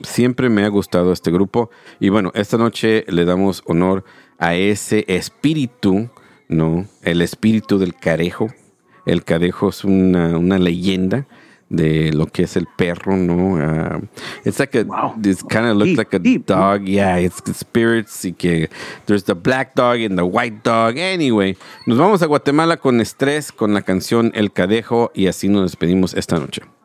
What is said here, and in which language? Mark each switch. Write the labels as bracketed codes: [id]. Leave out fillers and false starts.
[es] Siempre me ha gustado este grupo. Y bueno, esta noche le damos honor a ese espíritu, ¿no? El espíritu del Cadejo. El Cadejo es una leyenda de lo que es el perro, ¿no? [en] It's like a, wow. It kind of looks deep, like a deep dog. Yeah, it's spirits. [es] Y que [en] there's the black dog and the white dog. [es] Anyway, nos vamos a Guatemala con Estrés, con la canción El Cadejo, y así nos despedimos esta noche.